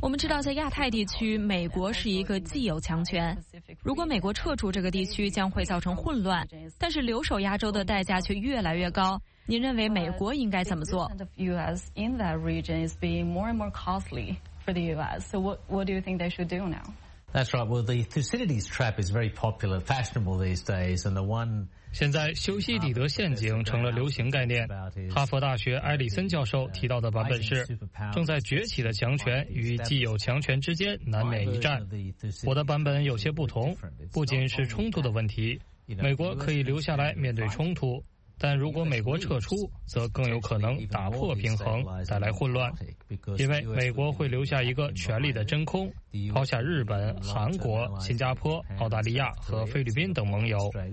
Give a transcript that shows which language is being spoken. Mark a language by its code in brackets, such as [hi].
[zh] 我们知道，在亚太地区，美国是一个既有强权。如果美国撤出这个地区，将会造成混乱。但是留守亚洲的代价却越来越高。您认为美国应该怎么做 [en] ？US in that region is being more and more costly for the US. So what do you think they should do now? That's right. Well, the Thucydides trap is very popular, fashionable these days, and the one. [zh] 现在修昔底德陷阱成了流行概念，哈佛大学埃里森教授提到的版本是正在崛起的强权与既有强权之间难免一战。我的版本有些不同，不仅是冲突的问题，美国可以留下来面对冲突，但如果美国撤出，则更有可能打破平衡，带来混乱，因为美国会留下一个权力的真空，抛下日本、韩国、新加坡、澳大利亚和菲律宾等盟友。